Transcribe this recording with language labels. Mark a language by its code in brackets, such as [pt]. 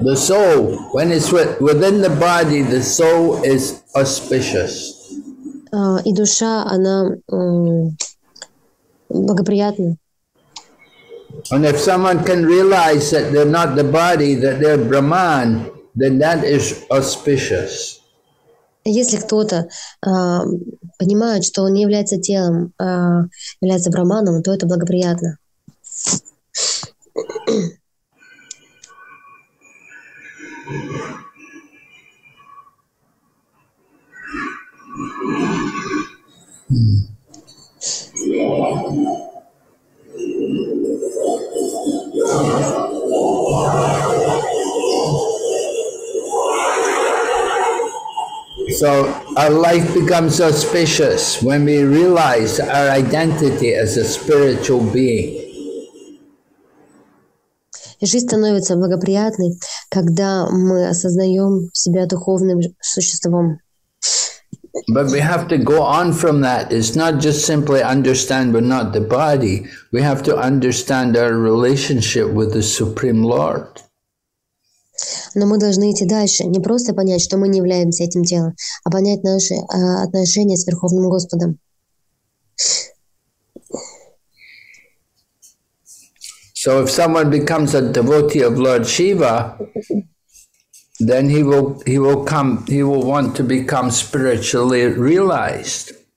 [en] The soul, when it's within the body, the soul is auspicious. [ru] И душа, она благоприятна. [en] And if someone can realize that they're not the body, that they're Brahman, then that is auspicious. [ru] Если кто-то понимает, что он не является телом, а является Брахманом, то это благоприятно. [en] So our life becomes auspicious when we realize our identity as a spiritual being. [ru] Жизнь становится благоприятной, когда мы осознаем себя духовным существом. [en] But we have to go on from that. It's not just simply understand we're not the body. We have to understand our relationship with the Supreme Lord. [ru] Но мы должны идти дальше, не просто понять, что мы не являемся этим телом, а понять наши отношения с Верховным Господом. [en] So if someone becomes a devotee of Lord Shiva, then he will want to become spiritually realized.